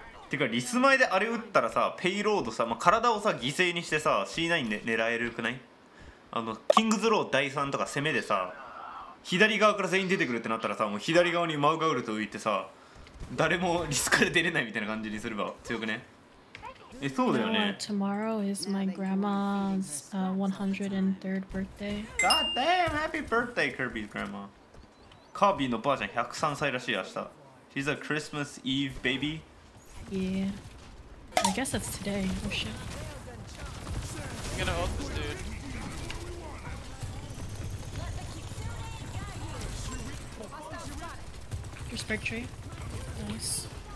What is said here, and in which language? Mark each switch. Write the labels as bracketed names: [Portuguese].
[Japanese] ていうかリス前であれ打ったらさペイロードさ、まあ、体をさ犠牲にしてさ C9 で狙えるくない？あのキングズロー第3とか攻めでさ左側から全員出てくるってなったらさもう左側にマウガウルト浮いてさ誰もリスから出れないみたいな感じにすれば強くね。え、そうだよね。 [English] Tomorrow is my grandma's 103rd birthday. God damn, happy birthday, Kirby's grandma. [Japanese] カービィのばあちゃん103歳らしい明日。 [English] She's a Christmas Eve baby. Yeah, I guess that's today. Oh shit. I'm gonna hold this dude. There's brick tree. Nice.